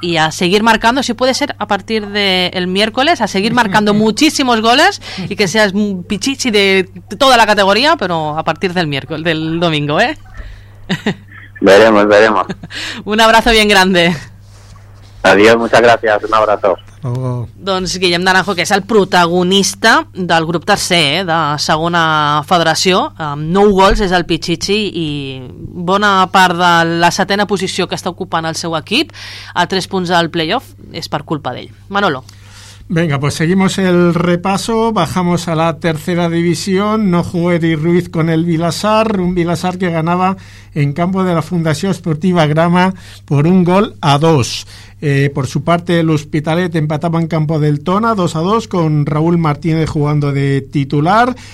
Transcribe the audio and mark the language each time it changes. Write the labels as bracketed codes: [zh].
[es] Y a seguir marcando, si puede ser, a partir del miércoles, a seguir marcando muchísimos goles y que seas un pichichi de toda la categoría, pero a partir del miércoles, del domingo, ¿eh? Veremos, veremos. Un abrazo bien grande. Adiós, muchas gracias, un abrazo. [ca] Doncs Guillem Naranjo, que és el protagonista del grup tercer, de segona federació, amb 9 gols, és el pichichi, i bona part de la setena posició que està ocupant el seu equip, a 3 punts del playoff, és per culpa d'ell. Manolo. [es] Venga, pues seguimos el repaso, bajamos a la tercera división, no jugó Eric Ruiz con el Vilasar, un Vilasar que ganaba en campo de la Fundación Esportiva Grama por 1-2. Por su parte, el Hospitalet empataba en campo del Tona 2-2 con Raúl Martínez jugando de titular.